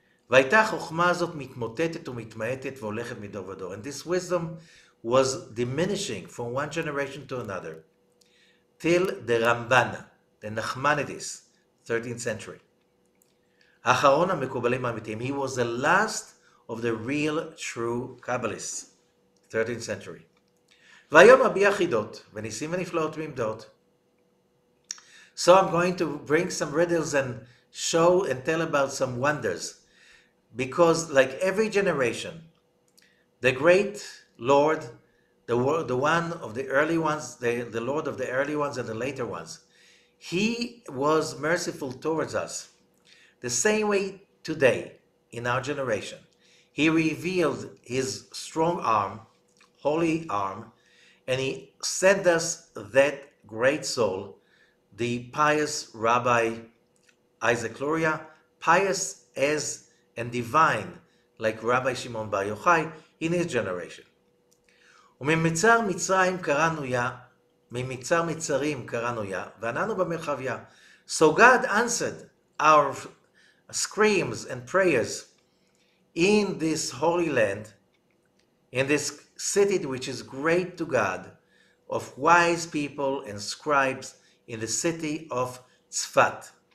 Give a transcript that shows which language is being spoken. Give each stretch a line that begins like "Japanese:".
Hebrew: והייתה החוכמה הזאת מתמוטטת ומתמעטת והולכת מדור ודור.
English: And this wisdom was diminishing from one generation to another till the Ramban, the Nachmanides, 13th century.
Hebrew: האחרון המקובלים האמיתיים,
English: he was the last of the real true Kabbalists, 13th century.
Hebrew: והיום הביע חידות וניסים ונפלאות ועמדות.
English: So I'm going to bring some riddles and show and tell about some wonders. Because like every generation, the great Lord, the one of the early ones, the Lord of the early ones and the later ones, he was merciful towards us. The same way today, in our generation, he revealed his strong arm, holy arm, and he sent us that great soul, the pious Rabbi Isaac Luria, pious as and divine, like Rabbi Shimon Bar Yochai, in his generation.
Hebrew: וממצר מצרים קראנו יה, ממצר מצרים קראנו יה, ואננו במרחב יה.
English: So God answered our screams and prayers in this holy land, in this city which is great to God, of wise people and scribes in the city of Tzfat.